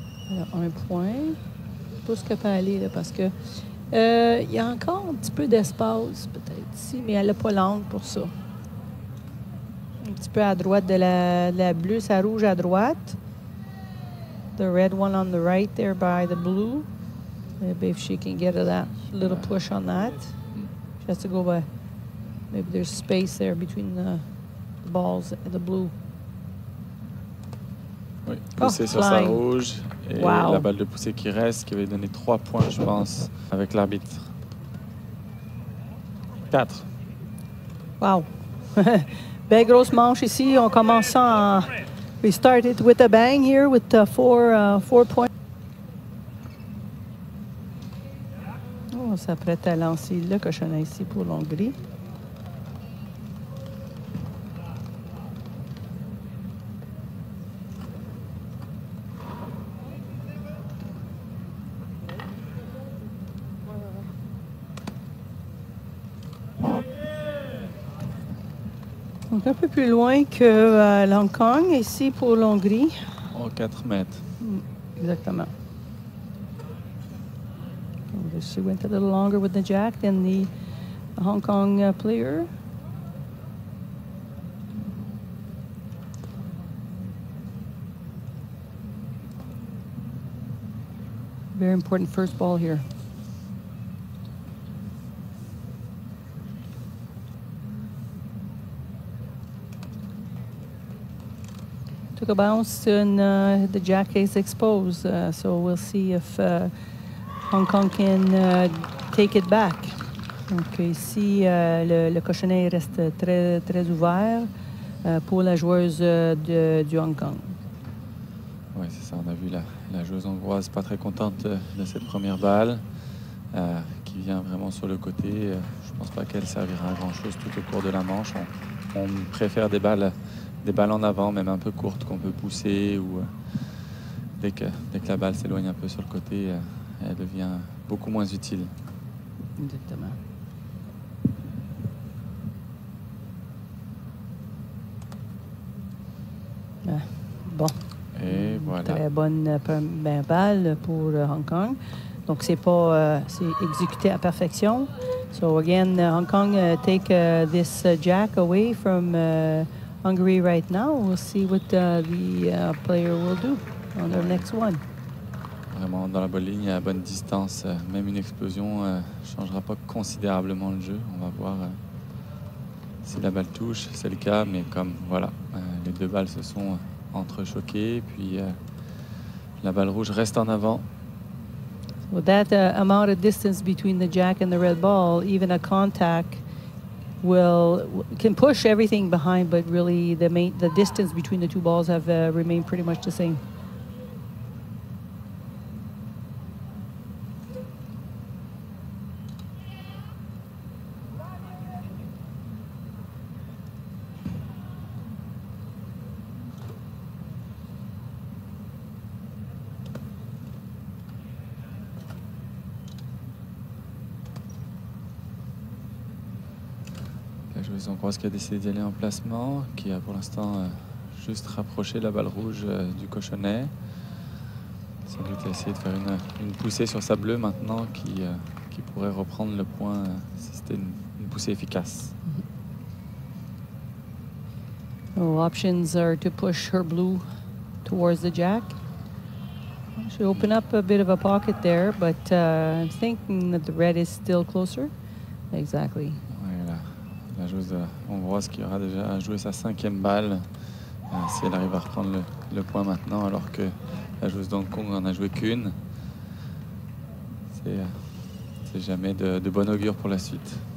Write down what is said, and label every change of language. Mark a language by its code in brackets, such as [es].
[fr] Alors, un point. Tout ce qu'elle peut aller, là, parce que il y a encore un petit peu d'espace, peut-être, ici, mais elle n'a pas l'angle pour ça. Un petit peu à droite de la bleue, sa rouge à droite. [en] The red one on the right there by the blue. Maybe if she can get a little push on that. She has to go by. Maybe there's space there between the balls and the blue. [fr] Oui, poussée sur sa rouge et la balle de poussée qui reste, qui avait donné 3 points, je pense, avec l'arbitre. 4. Wow. Belle grosse manche ici. On commence en... [en] We started with a bang here with 4 points. [fr] Oh, on s'apprête à lancer le cochonnet ici pour l'Hongrie. Donc un peu plus loin que Hong Kong, ici pour l'Hongrie. Oh, 4 mètres. Exactement. [en] She went a little longer with the jack than the Hong Kong player. Very important first ball here. Took a bounce and the jack is exposed. So we'll see if Hong Kong can take it back. [fr] Donc ici, le cochonnet reste très très ouvert pour la joueuse du Hong Kong. Oui, c'est ça. On a vu la joueuse hongroise pas très contente de cette première balle qui vient vraiment sur le côté. Je pense pas qu'elle servira à grand chose tout au cours de la manche. On préfère des balles en avant, même un peu courtes, qu'on peut pousser ou dès que la balle s'éloigne un peu sur le côté, elle devient beaucoup moins utile. Exactement. Bon. Et Très bonne balle pour Hong Kong. Donc, c'est pas c'est exécuté à perfection. [en] So again, Hong Kong take this jack away from Hungary right now. We'll see what the player will do on their next one. [fr] Vraiment dans la bonne ligne, à bonne distance, même une explosion ne changera pas considérablement le jeu. On va voir si la balle touche, c'est le cas, mais comme voilà, les deux balles se sont entrechoquées, puis la balle rouge reste en avant. [en] With that amount of distance between the jack and the red ball, even a contact can push everything behind, but really the distance between the two balls have remained pretty much the same. [fr] On croit qu'il a décidé d'y aller en placement, qui a pour l'instant juste rapproché la balle rouge du cochonnet. Sans doute essayer de faire une poussée sur sa bleue maintenant qui pourrait reprendre le point si c'était une poussée efficace. [en] Our options are to push her blue towards the jack. She opened up a bit of a pocket there, but I'm thinking that the red is still closer. Exactly. [fr] La joueuse hongroise qui aura déjà joué sa cinquième balle, si elle arrive à reprendre le point maintenant, alors que la joueuse d'Hong Kong en a joué qu'une, c'est jamais de bon augure pour la suite.